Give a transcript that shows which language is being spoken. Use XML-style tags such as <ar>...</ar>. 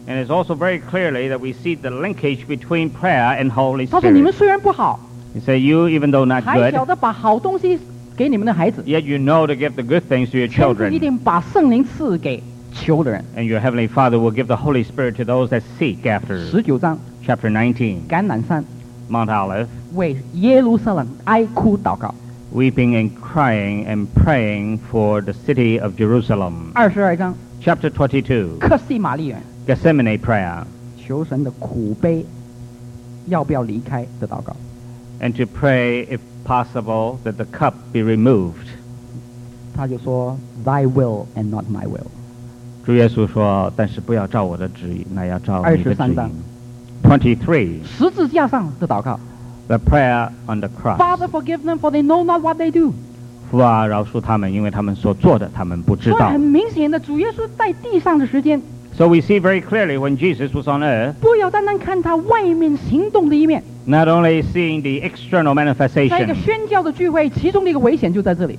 <en>And it's also very clearly that we see the linkage between prayer and Holy Spirit.</en> <zh>他说你们虽然不好</zh> <en>He said, you even though not good,</en> <zh>还晓得把好东西给你们的孩子</zh> <en>yet you know to give the good things to your children.</en> <zh>甚至一定把圣灵赐给Children.</zh> <en>And your Heavenly Father will give the Holy Spirit to those that seek after.</en> <zh>19章</zh> <en>Chapter 19.</en> <zh>橄榄山</zh> <en>Mount Olive.</en> <zh>为耶路撒冷哀哭祷告</zh> <en>Weeping and crying and praying for the city of Jerusalem.</en> <zh>22章</zh> <en>Chapter 22.</en> <zh>克西玛利园</zh> <en>Gethsemane prayer.</en> <zh>求神的苦悲要不要离开的祷告</zh> <en>And to pray, if possible, that the cup be removed.</en> <zh>他就说</zh> <en>Thy will and not my will.</en> <zh>主耶稣说但是不要照我的旨意那要照你的旨意 23章</zh> <en>23</en> <zh>十字架上的祷告</zh> <en>The prayer on the cross Father forgive them for they know not what they do</en> <zh>父啊饶恕他们因为他们所做的他们不知道很明显的主耶稣在地上的时间</zh> <en>So we see very clearly when Jesus was on earth</en> <zh>不要单单看他外面行动的一面</zh> <en>Not only seeing the external manifestation</en> <zh>在一个宣教的聚会其中的一个危险就在这里</zh>